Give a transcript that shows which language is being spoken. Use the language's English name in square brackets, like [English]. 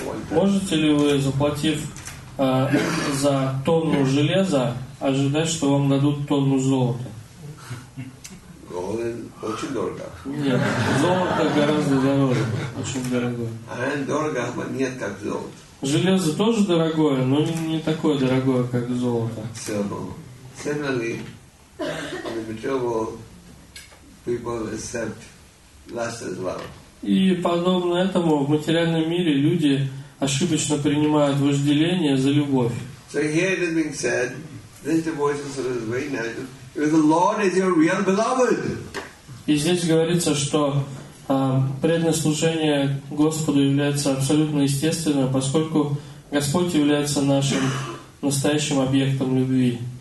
[Russian] Можете ли вы, заплатив за тонну железа, ожидать, что вам дадут тонну золота? Очень дорого. Нет, золото гораздо дороже, очень дорогое. Iron дорого, но нет как золото. Железо тоже дорогое, но не такое дорогое, как золото. [English] Similarly, in the material world, people accept lust as well. [Russian] И подобно этому в материальном мире люди ошибочно принимают вожделение за любовь. [English] So here it is being said, this devotion service is very natural. The Lord is your real beloved. [Russian] И здесь говорится, что преданное служение Господу является абсолютно естественным, поскольку Господь является нашим настоящим объектом любви.